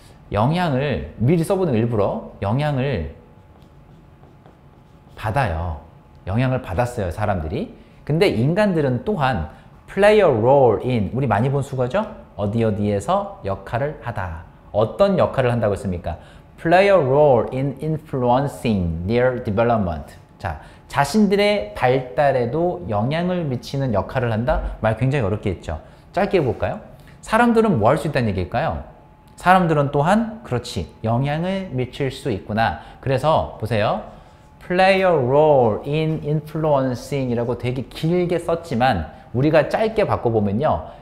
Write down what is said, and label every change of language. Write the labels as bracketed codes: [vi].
[ko] 영향을, 미리 써보는 일부러, 영향을 받아요. 영향을 받았어요, 사람들이. 근데 인간들은 또한, [en] play a role in, [ko] 우리 많이 본 수거죠? 어디 어디에서 역할을 하다. 어떤 역할을 한다고 했습니까? [en] Play a role in influencing their development. [ko] 자, 자신들의 발달에도 영향을 미치는 역할을 한다? 말 굉장히 어렵게 했죠. 짧게 해볼까요? 사람들은 뭐할수 있다는 얘기일까요? 사람들은 또한, 그렇지, 영향을 미칠 수 있구나. 그래서, 보세요. [en] Play a role in influencing [ko] 이라고 되게 길게 썼지만, 우리가 짧게 바꿔보면요.